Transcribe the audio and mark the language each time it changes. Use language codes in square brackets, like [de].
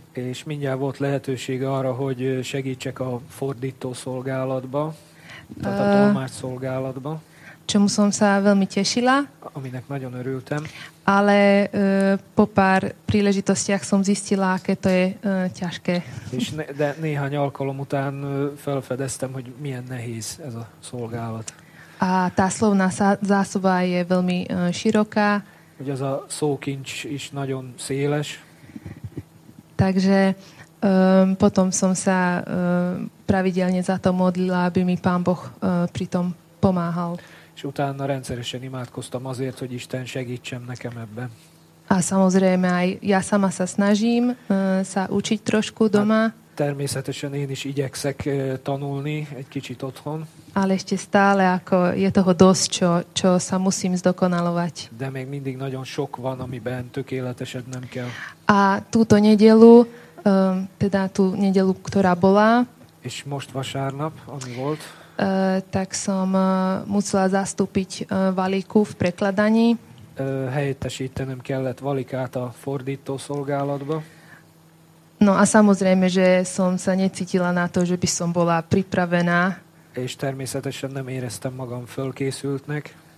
[hu] És mindjárt volt lehetőség arra, hogy segítsek a fordító szolgálatba, tehát a tolmács szolgálatba. [sk] Čomu som sa veľmi tešila. [hu] Aminek nagyon örültem. [sk] Ale po pár príležitostiach som zistila, aké to je ťažké. [hu] De néhány alkalom után felfedeztem, hogy milyen nehéz ez a szolgálat. [sk] A tá slovná zásoba je veľmi široká. [hu] Hogy az a szókincs is nagyon széles. [sk] Takže potom som sa pravidelne za to modlila, aby mi Pán Boh pritom pomáhal. [hu] És utána rendszeresen imádkoztam azért, hogy Isten segítsen nekem ebben. [sk] A samozrejme, aj ja sama sa snažím sa učiť trošku doma. [hu] Hát, természetesen én is igyekszek tanulni egy kicsit otthon. [sk] Ale ešte stále, ako je toho dosť, čo sa musím zdokonalovať. [hu] De még mindig nagyon sok van, amiben tökéletesednem kell. [sk] A túto nedelu, teda tú nedelu, ktorá bola. [hu] És most vasárnap, ami volt. [sk] Tak som musela zastúpiť Valiku v prekladaní. [hu] Helyettesítenem kellett Valikát a fordító szolgálatba. [sk] No a samozrejme, že som sa necítila na to, že by som bola pripravená. [hu] És természetesen nem éreztem magam fölkészültnek.